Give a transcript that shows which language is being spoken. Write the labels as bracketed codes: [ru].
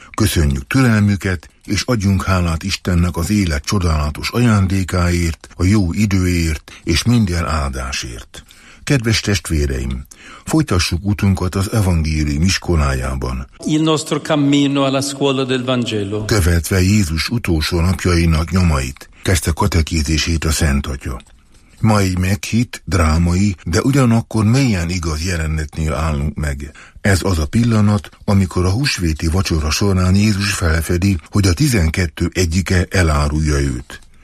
[hu] Köszönjük türelmüket, és adjunk hálát Istennek az élet csodálatos ajándékáért, a jó időért és minden áldásért. Kedves testvéreim, folytassuk utunkat az evangélium iskolájában. [it] Il nostro cammino alla scuola del Vangelo. [hu] Követve Jézus utolsó napjainak nyomait, kezdte katekézését a Szentatya. Ma egy meghitt, drámai, de ugyanakkor mélyen igaz jelenetnél állunk meg. Ez az a pillanat, amikor a húsvéti vacsora során Jézus felfedi, hogy a 12 egyike elárulja őt.